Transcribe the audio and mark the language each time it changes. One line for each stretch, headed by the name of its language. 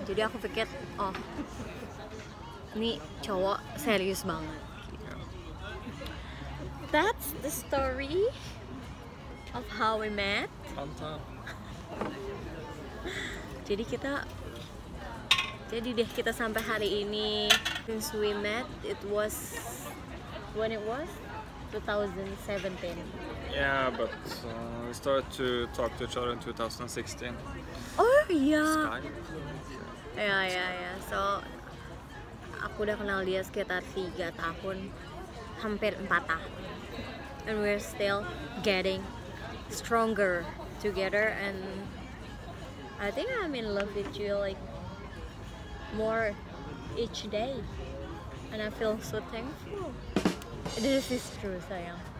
Indonesian: Jadi aku pikir, oh, ini cowok serius banget.
English: That's the story of how we met.
Indonesian: Jadi kita jadi deh kita sampai hari ini.
English: Since we met, it was when it was 2017. Yeah, but we started to talk to each other in 2016. Oh yeah. Skype. Yeah.
Indonesian: So aku udah kenal dia sekitar 3 tahun, hampir 4 tahun.
English: And we're still getting stronger together, and I think I'm in love with you like more each day, and I feel so thankful. This is true, sayang.